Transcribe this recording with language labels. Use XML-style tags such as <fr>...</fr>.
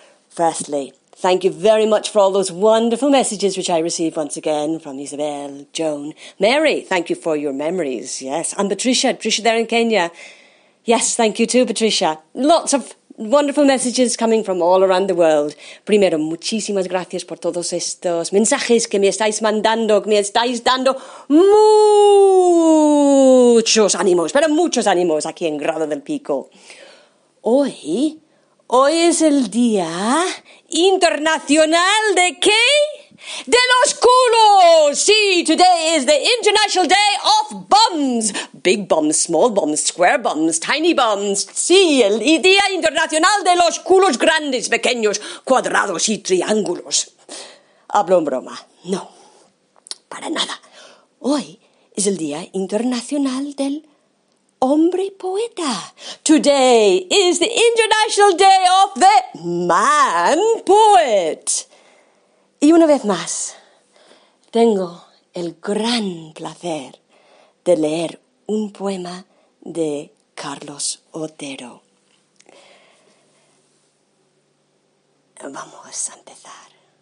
<en>Firstly, thank you very much for all those wonderful messages which I received once again from Isabel, Joan, Mary. Thank you for your memories, yes. And Patricia there in Kenya. Yes, thank you too, Patricia. Lots of wonderful messages coming from all around the world.</en> <es>Primero, muchísimas gracias por todos estos mensajes que me estáis mandando, que me estáis dando muchos ánimos, pero muchos ánimos aquí en Grado del Pico. Hoy es el Día Internacional de qué? ¡De los culos!</es> <en>Sí, today is the International Day of Bums. Big bums, small bums, square bums, tiny bums.</en> <es>Sí, el Día Internacional de los culos grandes, pequeños, cuadrados y triángulos. Hablo en broma. No, para nada. Hoy es el Día Internacional del Hombre Poeta.</es> <en>Today is the International Day of the Man Poet.</en> <es>Y una vez más, tengo el gran placer de leer un poema de Carlos Otero. Vamos a empezar.</es>